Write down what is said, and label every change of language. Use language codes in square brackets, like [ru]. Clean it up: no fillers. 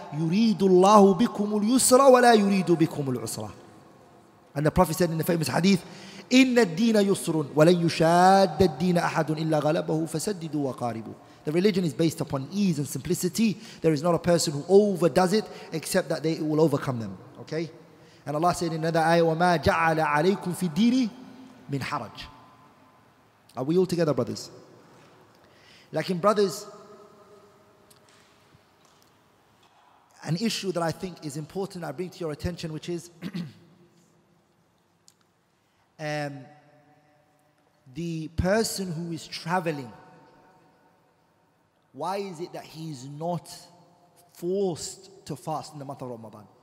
[ar] يُرِيدُ اللَّهُ بِكُمُ الْيُسْرَ وَلَا يُرِيدُ بِكُمُ الْعُسْرَ. [en] And the Prophet said in the famous hadith. [ar] إِنَّ الدِّينَ يُسْرٌ وَلَنْ يُشَادَّ الدِّينَ أَحَدٌ إِلَّا غَلَبَهُ فَسَدِّدُوا وَقَارِبُوا. [en] The religion is based upon ease and simplicity. There is not a person who overdoes it except that it will overcome them. Okay? And Allah said in another ayah, [ar] وَمَا جَعَلَ عَلَيْكُمْ فِي الدِّينِ مِنْ حَرَجٍ. [en] Are we all together, brothers? Like in brothers, an issue that I think is important I bring to your attention, which is... The person who is traveling, why is it that he's not forced to fast in the month of Ramadan?